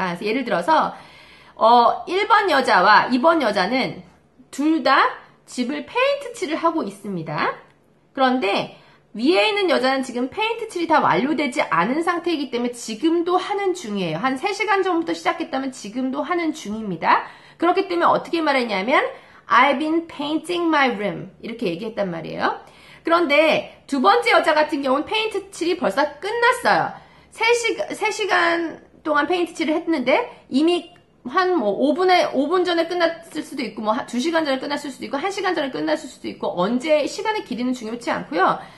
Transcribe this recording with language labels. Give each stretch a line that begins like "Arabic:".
Korean: 그래서 예를 들어서, 1번 여자와 2번 여자는 둘다 집을 페인트칠을 하고 있습니다. 그런데 위에 있는 여자는 지금 페인트칠이 다 완료되지 않은 상태이기 때문에 지금도 하는 중이에요. 한 3시간 전부터 시작했다면 지금도 하는 중입니다.
English: 그렇기 때문에 어떻게 말했냐면, I've been painting my room.
Korean: 이렇게 얘기했단 말이에요. 그런데 두 번째 여자 같은 경우는 페인트칠이 벌써 끝났어요. 3시간 동안 페인트칠을 했는데 이미 한뭐 5분 전에 끝났을 수도 있고 뭐 2시간 전에 끝났을 수도 있고 1시간 전에 끝났을 수도 있고 언제 시간의 길이는 중요치 않고요.